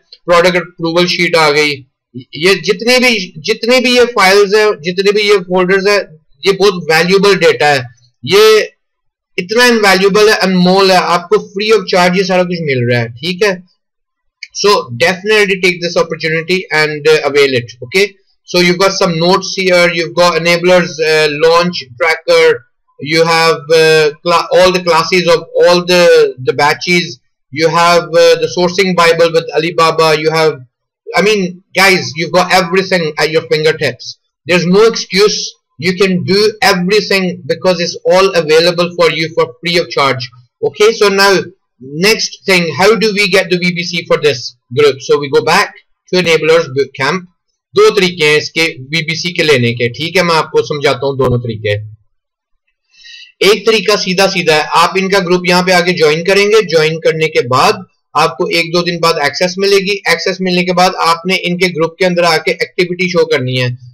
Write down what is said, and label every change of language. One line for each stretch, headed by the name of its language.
Hindi: Product approval sheet आ गई, ये जितने भी ये फाइल्स है, जितने भी ये फोल्डर्स है, ये बहुत वैल्यूएबल डेटा है, ये इतना इनवैल्यूएबल है, अनमोल है, आपको फ्री ऑफ चार्ज ये सारा कुछ मिल रहा है, ठीक है।
English: So definitely take this opportunity and avail it, okay. So you've got some notes here, you've got enablers, launch tracker, you have all the classes of all the batches, you have the sourcing bible with Alibaba, you have, I mean, guys, you've got everything at your fingertips. There's no excuse. You can do everything because it's all available for you for free of charge. Okay, so now, next thing, how do we get the VBC for this group? So we go back to Enablers Bootcamp.
Hindi: दो तरीके हैं इसके BBC के लेने के, ठीक है, मैं आपको समझाता हूं दोनों तरीके. एक तरीका सीधा सीधा है, आप इनका ग्रुप यहां पे आके ज्वाइन करेंगे. ज्वाइन करने के बाद आपको एक दो दिन बाद एक्सेस मिलेगी. एक्सेस मिलने के बाद आपने इनके ग्रुप के अंदर आके एक्टिविटी शो करनी है.